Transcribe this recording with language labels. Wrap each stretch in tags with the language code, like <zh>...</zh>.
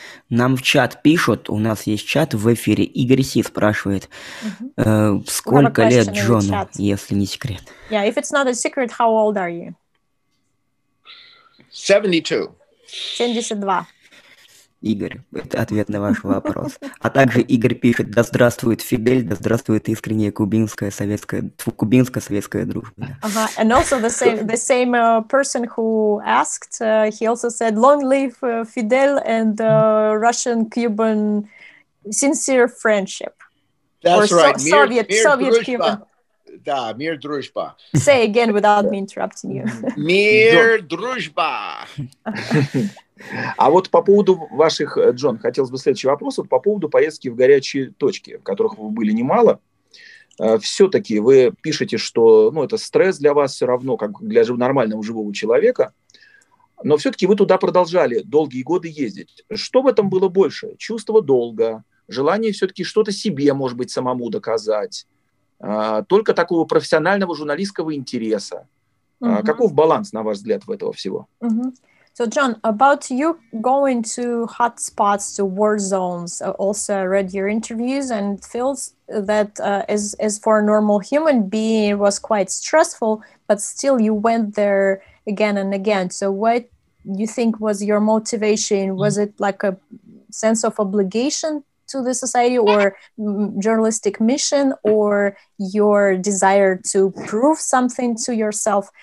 <ru>Нам в чат пишут, у нас есть чат в эфире, Игорь Си спрашивает, сколько лет Джону, если не секрет?</ru> <en>Yeah, if it's not a secret, how old are you? 72.</en> <ru>Игорь, это ответ на ваш вопрос. А также Игорь пишет, да здравствует Фидель, да здравствует искренняя кубинская советская дружба. Uh-huh.</ru> <en>And also the same person who asked, he also said, long live Fidel and Russian-Cuban sincere friendship. That's or right. Soviet-Cuban.</en> <ru>Да, мир дружба.</ru> <en>Say again without me interrupting you.</en> <ru>Мир дружба. А вот по поводу ваших, Джон, хотелось бы следующий вопрос. Вот по поводу поездки в горячие точки, в которых вы были немало. Все-таки вы пишете, что ну, это стресс для вас все равно, как для нормального живого человека. Но все-таки вы туда продолжали долгие годы ездить. Что в этом было больше? Чувство долга, желание все-таки что-то себе, может быть, самому доказать. Только такого профессионального журналистского интереса. Mm-hmm. Каков баланс, на ваш взгляд, в этого всего? Mm-hmm.</ru> <en>So, John, about you going to hot spots, to war zones, also I read your interviews and feels that as for a normal human being, it was quite stressful, but still you went there again and again. So what you think was your motivation? Mm-hmm. Was it like a sense of obligation to the society or journalistic mission or your desire to prove something to yourself?</en>